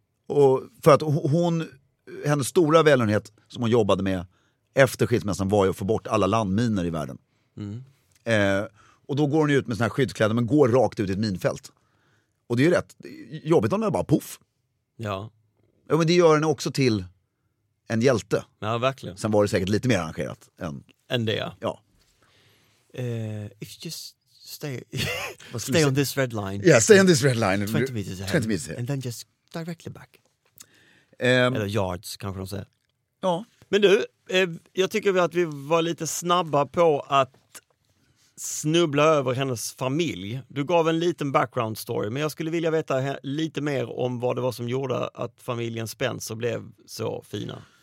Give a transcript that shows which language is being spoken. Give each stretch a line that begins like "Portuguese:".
Swedish: Och för att hon, hennes stora välgörenhet som hon jobbade med efter skilsmässan var ju att få bort alla landminer i världen. Mm. Och då går hon ut med såna här skyddskläder men går rakt ut i ett minfält. Och det är ju rätt jobbigt om det är bara puff. Ja. Ja, men det gör henne också till en hjälte. Ja, verkligen. Sen var det säkert lite mer arrangerat än... Än det, ja.
English: If you just stay on this red line. Yeah, stay on this red line. 20 meters ahead. 20 meters ahead. And then just directly back.
Swedish: Eller yards, kanske de säger. Ja. Men du, jag tycker att vi var lite snabba på att snubbla över hennes familj. Du gav en liten background story, men jag skulle vilja veta lite mer om vad det var som gjorde att familjen Spencer blev så fina.